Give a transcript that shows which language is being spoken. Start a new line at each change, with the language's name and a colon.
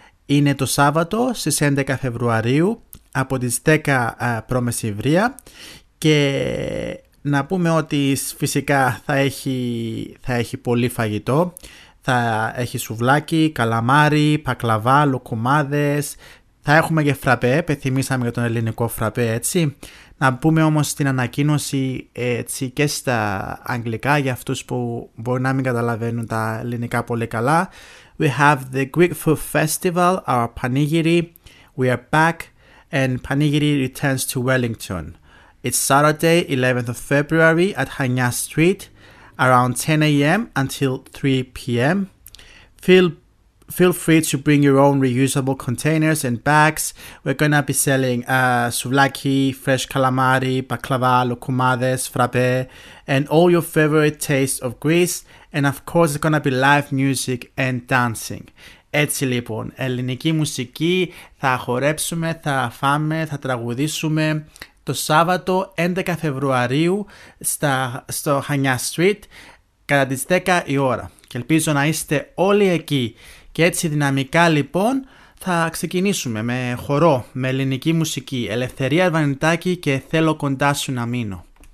Greek: Είναι το Σάββατο στις 11 Φεβρουαρίου από τις 10 προμεσημβρία και να πούμε ότι φυσικά θα έχει πολύ φαγητό, θα έχει σουβλάκι, καλαμάρι, πακλαβά, λουκουμάδες, θα έχουμε και φραπέ, επιθυμήσαμε για τον ελληνικό φραπέ έτσι. Να πούμε όμως την ανακοίνωση έτσι και στα αγγλικά για αυτούς που μπορεί να μην καταλαβαίνουν τα ελληνικά πολύ καλά.
English: We have the Greek Food Festival, our Panigiri, we are back and Panigiri returns to Wellington. It's Saturday, 11th of February at Hanya Street, around 10 a.m. until 3 p.m. Feel free to bring your own reusable containers and bags. We're going to be selling souvlaki, fresh calamari, baklava, lokumades, frappe, and all your favorite tastes of Greece. And of course, it's going to be live music and dancing.
Greek: Έτσι λοιπόν, ελληνική μουσική, θα χορέψουμε, θα φάμε, θα τραγουδήσουμε το Σάββατο 11 Φεβρουαρίου στο Hanya Street κατά τις 10 η ώρα. Και ελπίζω να είστε όλοι εκεί. Και έτσι δυναμικά λοιπόν θα ξεκινήσουμε με χορό, με ελληνική μουσική, Ελευθερία Αρβανιτάκη και Θέλω κοντά σου να μείνω.